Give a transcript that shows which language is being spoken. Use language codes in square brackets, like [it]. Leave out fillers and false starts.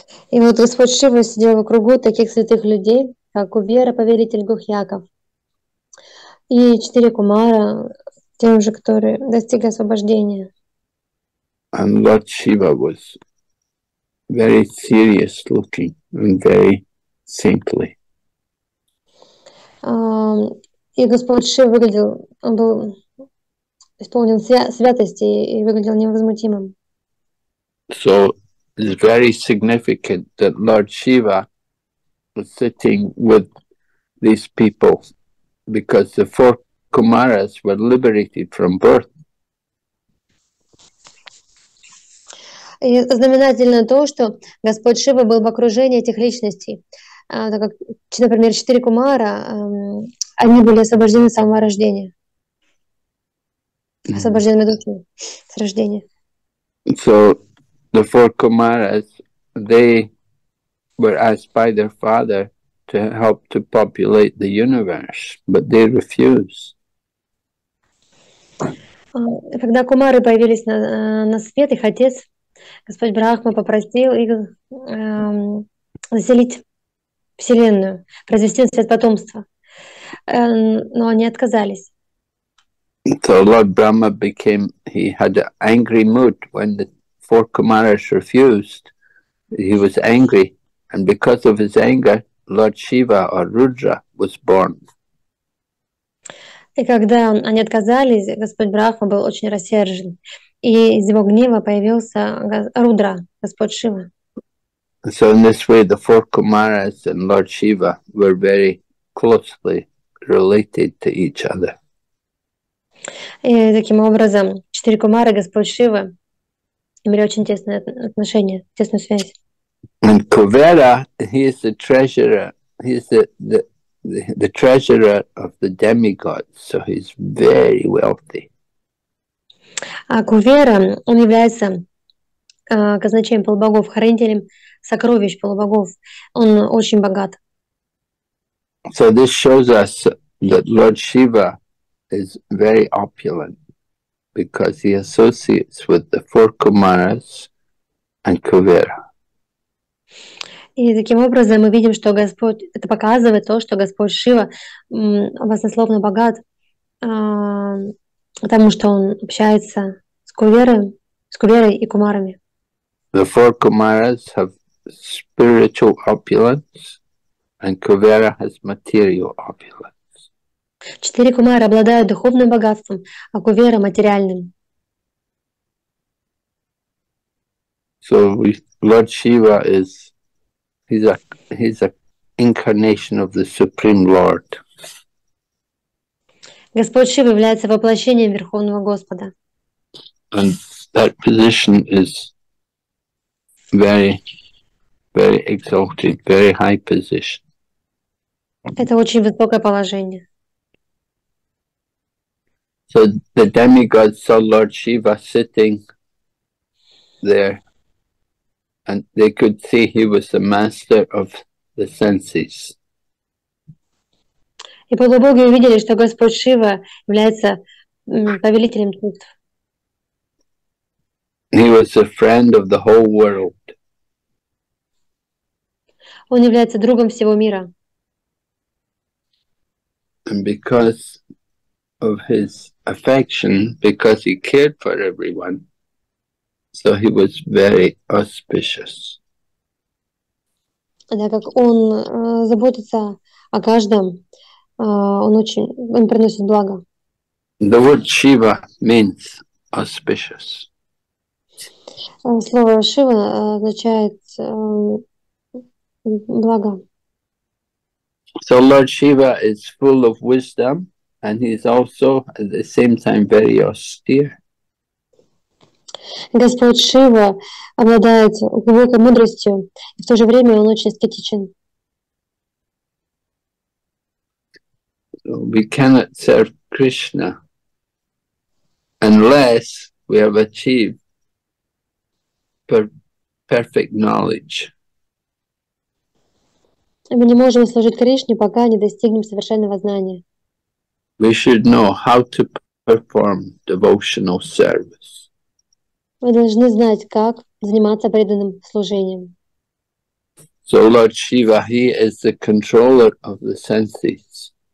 [ru] И вот Господь Шива сидел в кругу таких святых людей, как Кубера, повелитель Гухьяков, и четыре кумара, те уже, которые достигли освобождения. [en] And Lord Shiva was very serious looking and very saintly. [ru] И Господь Шива выглядел, он был исполнен святости и выглядел невозмутимым. [en] So it's very significant that Lord Shiva was sitting with these people because the four Kumaras were liberated from birth. [ru] И знаменательно то, что Господь Шива был в окружении этих личностей, так как, например, четыре кумара, они были освобождены с самого рождения, освобожденными духами с рождения. [en] So the four Kumaras, they were asked by their father to help to populate the universe, but they refused. [ru] Когда кумары появились на свет, их отец, Господь Брахма, попросил их заселить Вселенную, произвести на свет потомство, но они отказались. [en] So Lord Brahma became, he had an angry mood when the four Kumaras refused. He was angry, and because of his anger, Lord Shiva or Rudra was born. [ru] И когда они отказались, Господь Брахма был очень рассержен, и из его гнева появился Рудра, Господь Шива. [en] So in this way, the four Kumaras and Lord Shiva were very closely related to each other. [ru] И таким образом, четыре кумара, Господь Шива, имели очень тесные отношения, тесную связь. [en] And Kuvera, he is the treasurer, he is the treasurer of the demigods, so he's very wealthy. [ru] А Кувера, он является казначеем полубогов, хранителем сокровищ полубогов, он очень богат. [en] So this shows us that Lord Shiva is very opulent because he associates with the four Kumaras and Kuvera. [ru] И таким образом мы видим, что Господь, это показывает то, что Господь Шива баснословно богат, потому что он общается с Куверой и Кумарами. [en] The four Kumaras have spiritual opulence and Kuvera has material opulence. [ru] Четыре кумара обладают духовным богатством, а Кувера — материальным. [en] So Lord Shiva is he's a incarnation of the Supreme Lord. [ru] Господь Шива является воплощением Верховного Господа. [en] And that position is very, very exalted, very high position. [ru] Это очень высокое положение. [en] So the demigods saw Lord Shiva sitting there, and they could see he was the master of the senses. [ru] И полубоги увидели, что Господь Шива является повелителем чувств. [en] He was a friend of the whole world. [ru] Он является другом всего мира. [en] And because of his affection, because he cared for everyone, so he was very auspicious. [ru] Так как он заботится о каждом, он приносит благо. [en] The word Shiva means auspicious. [ru] Слово Шива означает благо. [en] So Lord Shiva is full of wisdom. And he is also, at the same time, very austere. [ru] Господь Шива обладает глубокой мудростью, и в то же время он очень аскетичен. [en] we cannot serve Krishna unless we have achieved perfect knowledge. [ru] Мы не можем служить Кришне, пока не достигнем совершенного знания. [en] We should know how to perform devotional service. [ru] Мы должны знать, как заниматься преданным служением. [en] So Lord Shiva, he is the controller of the senses.